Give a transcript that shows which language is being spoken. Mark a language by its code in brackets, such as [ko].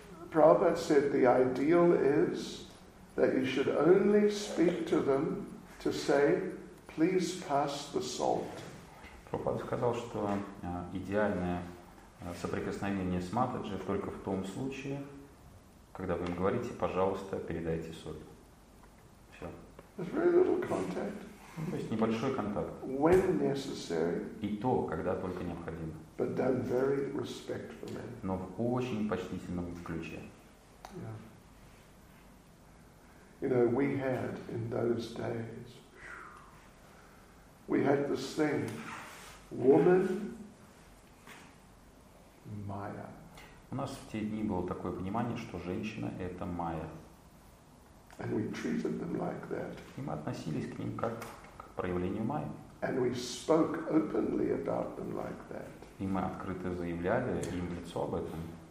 [en] Prabhupada said the ideal is that you should only speak to them to say, please pass the salt. [ru] Прабхупада сказал, что идеальное соприкосновение с Матаджи только в том случае, когда вы им говорите, пожалуйста, передайте соль. Все. [en] There's very little contact. [ru] То есть небольшой контакт. [en] When necessary. [ru] И то, когда только необходимо. [en] But done very respectfully. [ru] Но в очень почтительном ключе. [en] Yeah. You know, we had in those days, we had this thing, woman, Maya. [ru] У нас в те дни было такое понимание, что женщина – это Майя. [en] And we treated them like that. [ru] И мы относились к ним как к проявлению Майи. [en] And we spoke openly about them like that. [ru] И мы открыто заявляли им в лицо об этом.